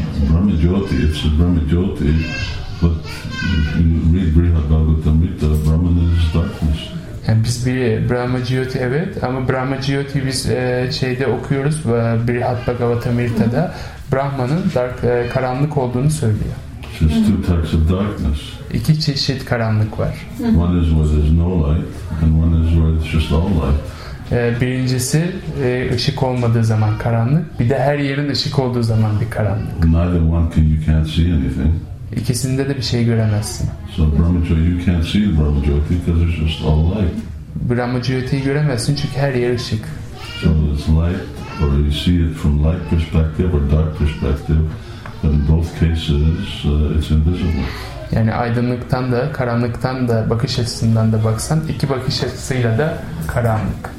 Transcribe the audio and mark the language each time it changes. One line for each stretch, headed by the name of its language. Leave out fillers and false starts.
English: Brahma Jyoti, it's a Brahma Jyoti, but you read Brihad Bhagavatamrita, Brahman is darkness.
Turkish: Yani biz bir Brahma Jyoti, evet, ama Brahma Jyoti biz şeyde okuyoruz, Brihad Bhagavatamrita'da Brahman'ın
English: dark,
Turkish: karanlık olduğunu söylüyor.
English: There's two types of darkness.
Turkish: İki çeşit karanlık var.
English: One is where there's no light, and one is where it's just all light.
Turkish: Birincisi ışık olmadığı zaman karanlık, bir de her yerin ışık olduğu zaman bir karanlık.
English: Neither one can, you can't see anything.
Turkish: İkisinde de bir şey göremezsin.
English: So Brahma Jyoti, you can't see Brahma Jyoti because it's just all light.
Turkish: Brahma Jyoti'yi göremezsin çünkü her yer ışık.
English: So it's light, or you see it from light perspective or dark perspective, but in both cases it's invisible.
Turkish: Yani aydınlıktan da karanlıktan da bakış açısından da baksan, iki bakış açısıyla da karanlık.